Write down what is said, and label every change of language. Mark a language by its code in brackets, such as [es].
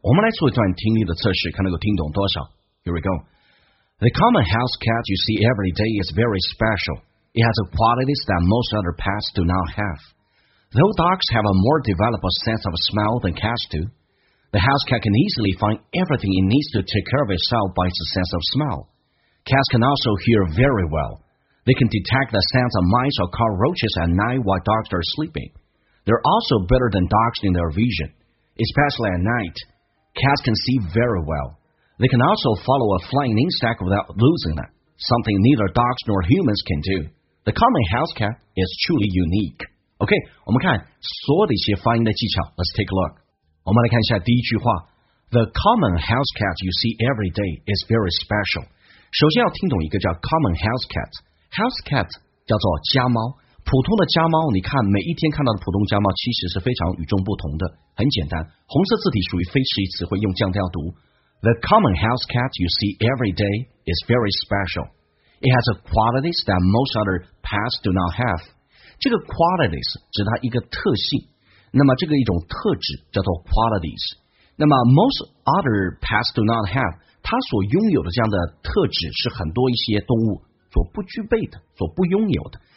[zh] 我们来做一段听力的测试，看能够听懂多少。 [en] Here we go. The common house cat you see every day is very special. It has qualities that most other pets do not have. Though dogs have a more developed sense of smell than cats do, the house cat can easily find everything it needs to take care of itself by its sense of smell. Cats can also hear very well. They can detect the sounds of mice or cockroaches at night while dogs are sleeping. They're also better than dogs in their vision, especially at night. Cats can see very well. They can also follow a flying insect without losing it, something neither dogs nor humans can do. The common house cat is truly unique. [zh] OK, 我们看所有的一些发音的技巧。 [en] Let's take a look. [zh] 我们来看一下第一句话。 [en] The common house cat you see every day is very special. [zh] 首先要听懂一个叫 common house cat. House cat 叫做家猫。普通的家猫，你看每一天看到的普通家猫其实是非常与众不同的。很简单，红色字体属于非实义词汇，用降调读。 [en] The common house cat you see every day is very special. It has qualities that most other pets do not have. [zh] 这个 qualities 指它一个特性，那么这个一种特质叫做 qualities。那么 [en] most other pets do not have， [zh] 它所拥有的这样的特质是很多一些动物所不具备的，所不拥有的。